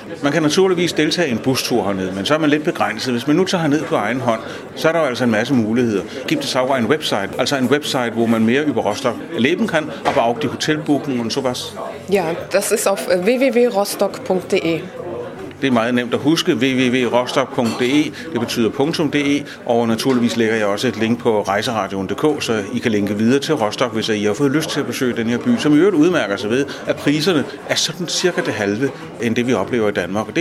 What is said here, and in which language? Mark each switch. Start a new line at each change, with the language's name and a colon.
Danish: Man kan naturligvis deltage i en bustur hernede, men så er man lidt begrænset. Hvis man nu tager herned på egen hånd, så er der altså en masse muligheder.
German: Gibt es auch
Danish: en website, altså en website, hvor man mere
German: über Rostock leben kan, aber auch die Hotelbuchen und sowas? Ja, das ist auf www.rostock.de.
Danish: Det er meget nemt at huske, www.rostock.de, det betyder .de, og naturligvis lægger jeg også et link på rejseradioen.dk, så I kan linke videre til Rostock, hvis I har fået lyst til at besøge den her by, som i øvrigt udmærker sig ved, at priserne er sådan cirka det halve, end det vi oplever i Danmark.